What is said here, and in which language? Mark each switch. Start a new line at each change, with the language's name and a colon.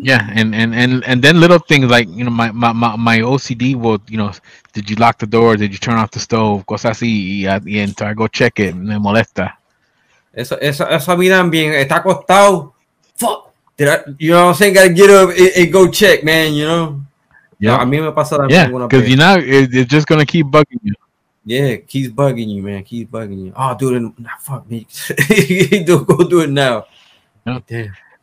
English: Yeah, and then little things like, you know, my OCD will, you know, did you lock the door? Did you turn off the stove?
Spanish: Cosas así, y entonces
English: I go check it,
Spanish: me molesta. Eso a mí también, está acostado.
English: Fuck. You know what I'm saying? Gotta get up and go check, man, you know? Yeah,
Spanish: a mí me pasa también.
English: Yeah, because you know, it's just gonna keep bugging you. Yeah, keeps bugging you, man. Keeps bugging you. Oh, dude, nah, fuck me. Go do it now. Yep. Damn.